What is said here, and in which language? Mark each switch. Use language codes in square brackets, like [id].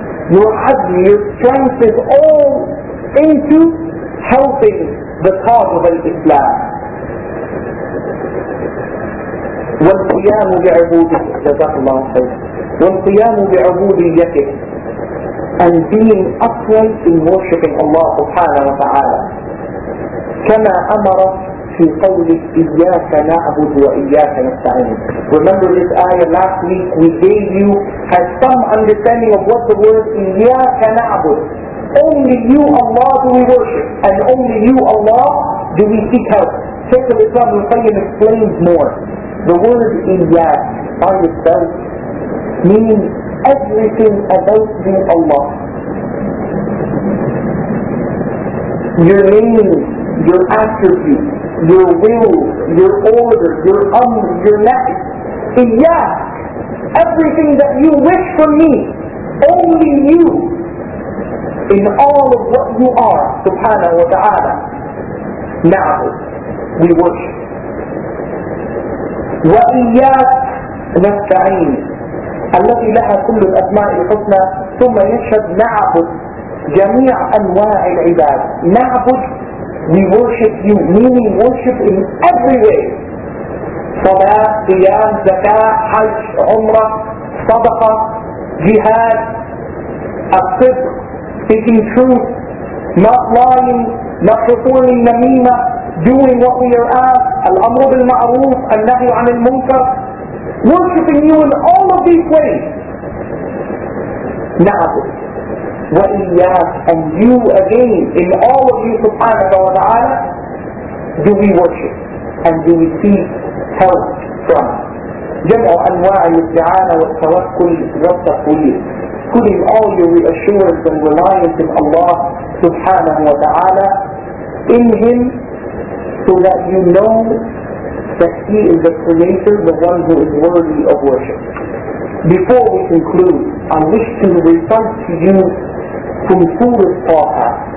[en] Your hajj, your strength is all into helping the cause of Islam. [ar] والقيام بعبودية. جزاك الله خير. والقيام بعبودية. [en] And being upright in worshiping Allah [ar] سبحانه وتعالى. كما أمر في قوله إياك نعبد وإياك نستعين. [en] Remember this ayah last week we gave you has some understanding of what the word [ar] إياك نعبد. [en] Only you Allah do we worship and only you Allah do we seek help. Shaykh al-Islam ibn Qayyim explains more. The word إياك by itself means everything about you Allah. Your name, your attributes, your will, your order, your your nafs. [ar] إياك. [en] Everything that you wish for me, only you. In all of what you are, subhanahu wa ta'ala. Now, we worship. [ar] وإياك نستعين التي لها كل الأسماء الحسنى ثم يشهد نعبد جميع أنواع العباد. [en] نعبد, we worship you, meaning worship in every way. [ar] صلاة, قيام, زكاة, حج, عمرة, صدقة, جهاد, الصدق, [en] speaking truth, not lying, not performing نميمة, doing what we are asked, [ar] الأمر بالمعروف, النهي عن المنكر, [en] worshipping you in all of these ways. [ar] نعبد وإياك. [en] And you again, in all of you subhanahu wa ta'ala, do we worship and do we seek help from. [ar] جمع أنواع الاستعانة والتوكل والتقويل. [en] Putting all your reassurance and reliance in Allah subhanahu wa ta'ala, in Him, so that you know that He is the Creator, the one who is worthy of worship. Before we conclude, I wish to recite to you from Surah Taha.